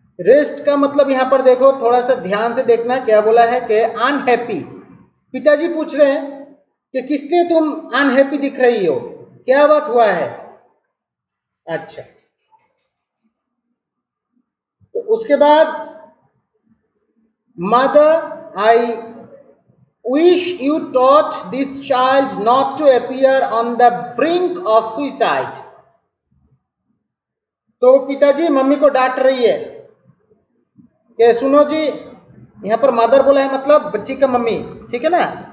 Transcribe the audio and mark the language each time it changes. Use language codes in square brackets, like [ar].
[hi] Rest का मतलब यहाँ पर देखो, थोड़ा सा ध्यान से देखना क्या बोला है कि unhappy। पिताजी पूछ रहे हैं कि किसने तुम unhappy दिख रही हो, क्या बात हुआ है? अच्छा तो उसके बाद [en] mother I wish you taught this child not to appear on the brink of suicide। [hi] तो पिताजी मम्मी को डांट रही है कि सुनो जी, यहाँ पर मदर बोला है मतलब बच्ची का मम्मी, ठीक है ना?